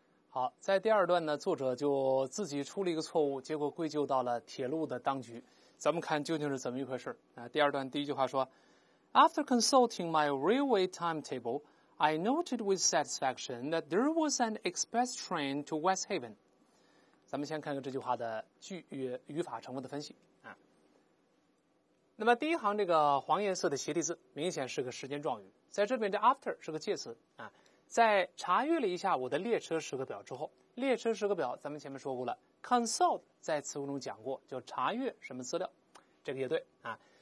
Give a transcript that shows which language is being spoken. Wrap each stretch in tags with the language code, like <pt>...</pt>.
<zh>好，在第二段呢，作者就自己出了一个错误，结果归咎到了铁路的当局。咱们看究竟是怎么一回事啊？第二段第一句话说</zh> <en>：After consulting my railway timetable, I noted with satisfaction that there was an express train to West Haven。</en> <zh>咱们先看看这句话的句约语法成分的分析啊。那么第一行这个黄颜色的斜体字，明显是个时间状语，在这边的 after 是个介词啊。在查阅了一下我的列车时刻表之后，列车时刻表咱们前面说过了 ，consult 在词库中讲过，就查阅什么资料，这个也对啊。</zh>